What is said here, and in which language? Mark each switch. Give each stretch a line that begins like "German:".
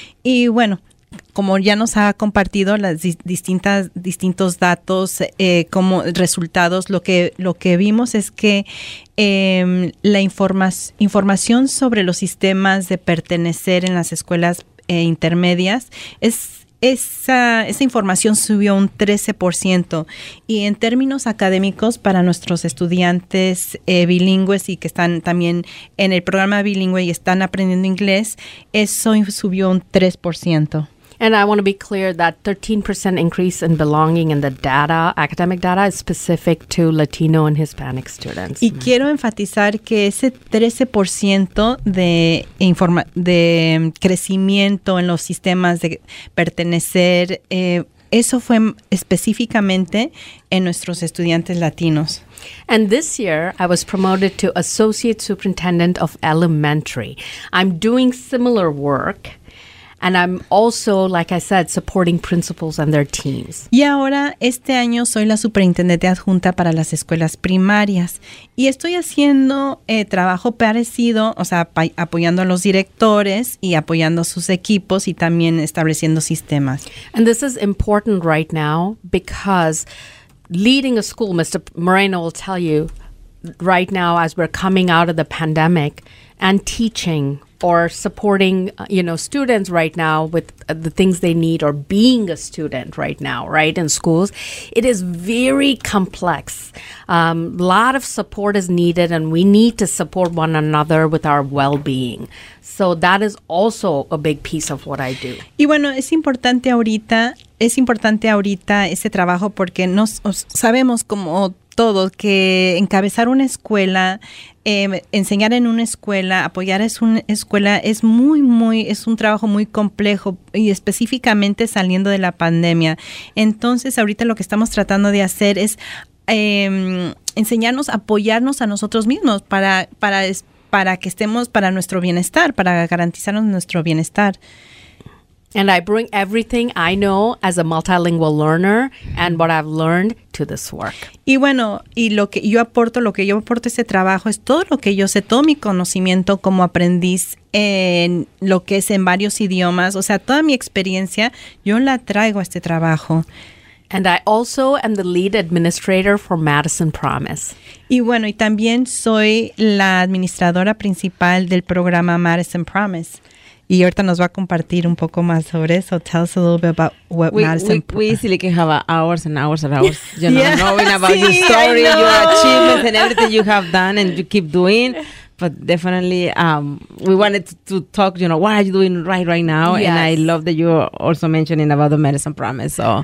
Spanish: Y bueno, como ya nos ha compartido las distintos datos, como resultados, lo que vimos es que la información sobre los sistemas de pertenecer en las escuelas intermedias es esa información subió un 13%. Y en términos académicos, para nuestros estudiantes bilingües y que están también en el programa bilingüe y están aprendiendo inglés, eso subió un 3%.
English: And I want to be clear that 13% increase in belonging in the data, academic data, is specific to Latino and Hispanic students.
Spanish: Y quiero enfatizar que ese 13% de crecimiento en los sistemas de pertenecer, eso fue específicamente en nuestros estudiantes latinos.
English: And this year, I was promoted to Associate Superintendent of Elementary. I'm doing similar work. And I'm also, like I said, supporting principals and their teams.
Spanish: Y ahora, este año, soy la superintendente adjunta para las escuelas primarias. Y estoy haciendo trabajo parecido, o sea, apoyando a los directores y apoyando a sus equipos y también estableciendo sistemas.
English: And this is important right now because leading a school, Mr. Moreno will tell you, right now as we're coming out of the pandemic and teaching or supporting, you know, students right now with the things they need or being a student right now, right, in schools. It is very complex. A lot of support is needed, and we need to support one another with our well-being. So that is also a big piece of what I do.
Spanish: Y bueno, es importante ahorita ese trabajo porque sabemos como todo que encabezar una escuela, enseñar en una escuela, apoyar es una escuela, es un trabajo muy complejo y específicamente saliendo de la pandemia. Entonces, ahorita lo que estamos tratando de hacer es enseñarnos, apoyarnos a nosotros mismos para que estemos para nuestro bienestar, para garantizarnos nuestro bienestar.
English: And I bring everything I know as a multilingual learner and what I've learned to this work.
Spanish: Y bueno, y lo que yo aporto a ese trabajo es todo lo que yo sé, todo mi conocimiento como aprendiz en lo que es en varios idiomas. O sea, toda mi experiencia, yo la traigo a este trabajo.
English: And I also am the lead administrator for Madison Promise.
Spanish: Y bueno, y también soy la administradora principal del programa Madison Promise. Y ahorita nos va a compartir un poco más sobre eso.
English: Tell us a little bit about what Madison... We easily can have hours and hours and hours, you know, yeah. Knowing about your story, your achievements, and everything you have done and you keep doing. But definitely, we wanted to talk, you know, what are you doing right now? Yes. And I love that you are also mentioning about the Madison Promise.